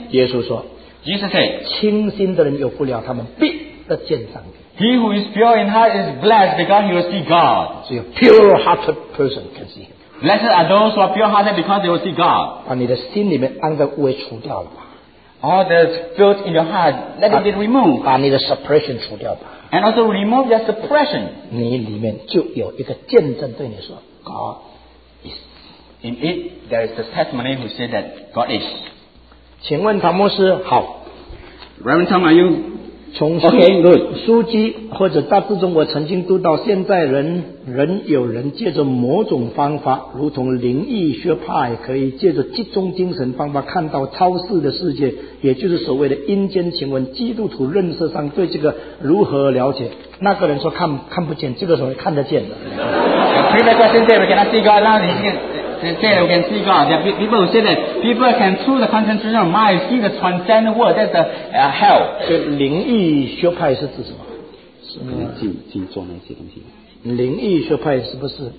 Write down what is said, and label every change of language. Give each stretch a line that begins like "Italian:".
Chinese: 耶稣说。
English: Jesus said,
Chinese: 清心的人有福了，他们必得见上帝。
English: He who is pure in heart is blessed because he will see God. 只有 pure-hearted person can see him. Blessed are those who are pure-hearted because they will see God.
Chinese: 把你的心里面肮脏污秽除掉吧。
English: All the filth in your heart, let it be removed.
Chinese: 把你的 suppression 除掉吧。
English: And also remove your suppression.
Chinese: 你里面就有一个见证对你说
English: God is. In it, there is the testimony who said that God is.
Chinese: 请问唐牧师好
English: Reverend Tom are you okay good
Chinese: 书籍或者大致中我曾经读到现在人有人借着某种方法如同灵异学派可以借着集中精神方法看到超世的世界也就是所谓的阴间请问基督徒认识上对这个如何了解那个人说 看不见这个时候看得见的
English: Previous question said we cannot see God now They say we can see God. There are people who say that people can through the concentration of mind see the transcendent world. That's the hell.
Chinese: 这灵异学派是指什么？是那个静坐那些东西。灵异学派是不是？